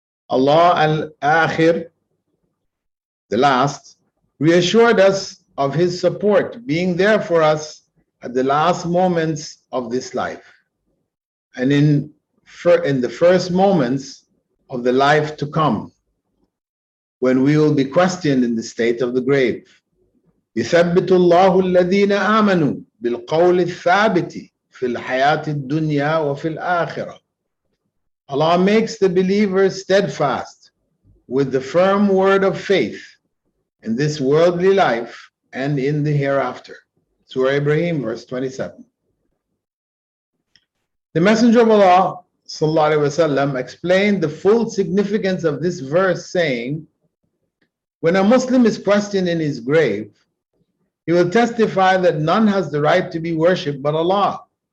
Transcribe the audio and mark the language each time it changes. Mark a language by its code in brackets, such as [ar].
[en] Allah al-akhir, the last, reassured us of his support being there for us at the last moments of this life, and in the first moments of the life to come, when we will be questioned in the state of the grave. [ar] يثبت الله الذين آمنوا بالقول الثابت في الحياة الدنيا وفي الآخرة. [en] Allah makes the believers steadfast with the firm word of faith in this worldly life and in the hereafter. Surah Ibrahim, verse 27. The Messenger of Allah, sallallahu alayhi wa sallam, explained the full significance of this verse, saying, when a Muslim is questioned in his grave, he will testify that none has the right to be worshipped but Allah,